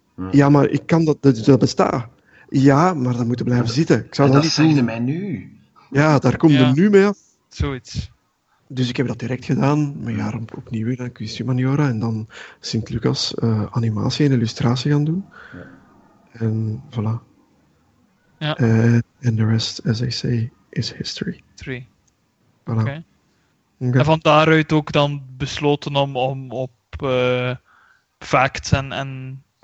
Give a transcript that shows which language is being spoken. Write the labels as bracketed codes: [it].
[nl] Ja, maar ik kan dat bestaat. Ja, maar dan moet je blijven zitten. Ik zou dat zeg je mij nu. Ja, daar kom je nu mee af. Zoiets. Dus ik heb dat direct gedaan, een jaar opnieuw in kunsthumaniora en dan Sint-Lucas animatie en illustratie gaan doen. Ja. En voilà. Ja. [en] And the rest, as I say, is history. Three. [nl] Voilà. Okay. Okay. En van daaruit ook dan besloten om op facts en